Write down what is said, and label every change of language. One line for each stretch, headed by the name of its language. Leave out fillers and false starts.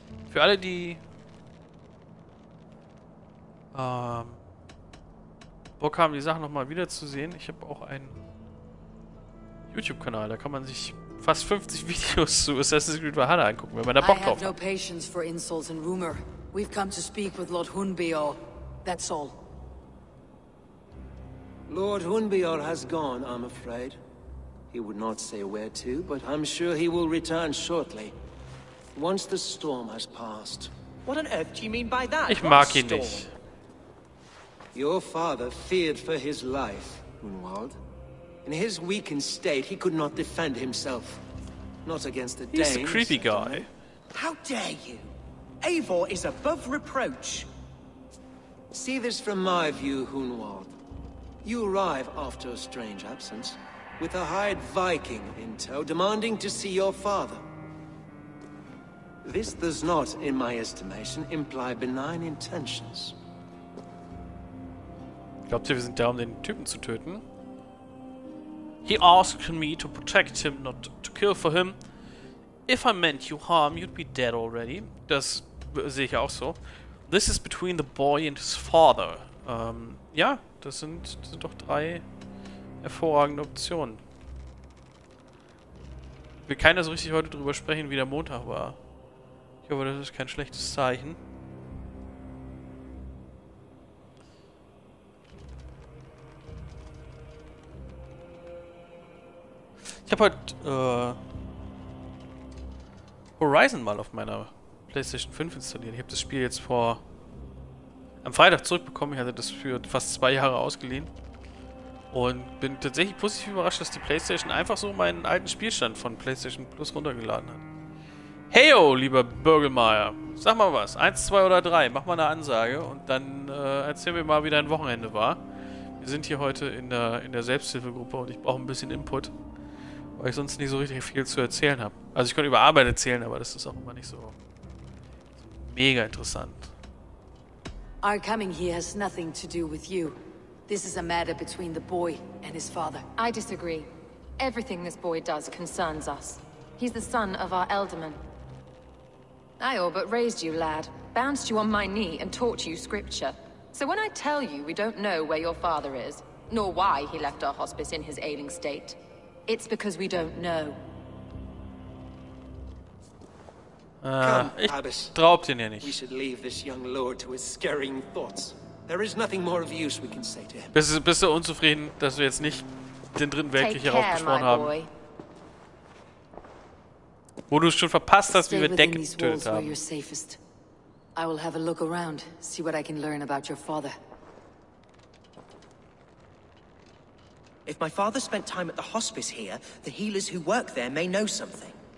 German: Für alle, die Bock haben, die Sachen nochmal wiederzusehen, ich habe auch einen YouTube-Kanal, da kann man sich fast 50 Videos zu Assassin's Creed Valhalla angucken, wenn man da Bock drauf hat.
English: I have no patience for insults and rumor. We've come to speak with Lord Hunbeor. That's all. Lord Hunbeor has gone, I'm afraid. He would not say where to, but I'm sure he will return shortly. Once the storm has passed. What on earth do you mean by that?
German: Ich mag ihn nicht.
English: Your father feared for his life, Hunwald. In his weakened state, he could not defend himself. Not against the Danes. He's a creepy guy. How dare you? Eivor is above reproach. See this from my view, Hunwald. You arrive after a strange absence, with a hired Viking in tow, demanding to see your father. This does not, in my estimation, imply benign intentions.
German: Glaubt ihr, wir sind da, um den Typen zu töten?
English: He asked me to protect him, not to kill for him. If I meant you harm, you'd be dead already.
German: Das sehe ich auch so.
English: This is between the boy and his father.
German: Ja, das sind doch drei hervorragende Option. Will keiner so richtig heute drüber sprechen, wie der Montag war. Ich hoffe, das ist kein schlechtes Zeichen. Ich habe heute Horizon mal auf meiner PlayStation 5 installiert. Ich habe das Spiel jetzt am Freitag zurückbekommen. Ich hatte das für fast 2 Jahre ausgeliehen. Und bin tatsächlich positiv überrascht, dass die PlayStation einfach so meinen alten Spielstand von PlayStation Plus runtergeladen hat. Heyo, lieber Bürgelmeier. Sag mal was. 1, 2 oder 3. Mach mal eine Ansage. Und dann erzählen wir mal, wie dein Wochenende war. Wir sind hier heute in der Selbsthilfegruppe und ich brauche ein bisschen Input, weil ich sonst nicht so richtig viel zu erzählen habe. Also ich könnte über Arbeit erzählen, aber das ist auch immer nicht so mega interessant.
English: Our coming here has nothing to do with you. This is a matter between the boy and his father. I disagree. Everything this boy does concerns us. He's the son of our elderman. I all but raised you, lad, bounced you on my knee and taught you scripture. So when I tell you we don't know where your father is, nor why he left our hospice in his ailing state, it's because we don't know. Come,
German: Abbas. Traubt ihn ja nicht.
English: We should leave this young lord to his scurrying thoughts. There is nothing more of use we can say to him.
German: Bist du unzufrieden, dass wir jetzt nicht den dritten Weltkrieg hier aufgeschworen haben? Wo du es schon verpasst hast, wie wir Decken getötet haben.
English: I will have a look around, see what I can learn about your father. If my father spent time at the hospice here, the healers who work there may know something.